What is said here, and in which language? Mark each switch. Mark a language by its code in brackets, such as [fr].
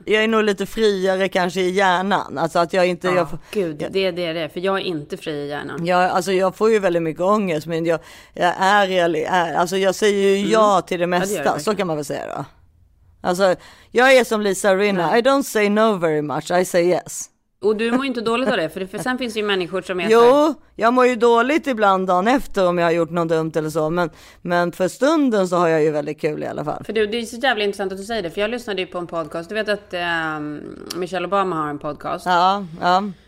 [sv] Jag är nog lite friare kanske i hjärnan. Alltså att jag inte, Gud, det är för jag är inte fri i hjärnan. Jag får ju väldigt mycket ångest, men jag är ärlig. Alltså jag säger ju ja till det mesta, ja, det så kan man väl säga då. Alltså jag är som Lisa Rinna. [en] I don't say no very much, I say yes. [sv] Och du mår ju inte dåligt av det, för sen finns det ju människor som är... Jo, jag mår ju dåligt ibland dagen efter om jag har gjort något dumt eller så. Men för stunden så har jag ju väldigt kul i alla fall. För det är så jävligt intressant att du säger det, för jag lyssnade ju på en podcast. Du vet att Michelle Obama har en podcast. Ja, ja.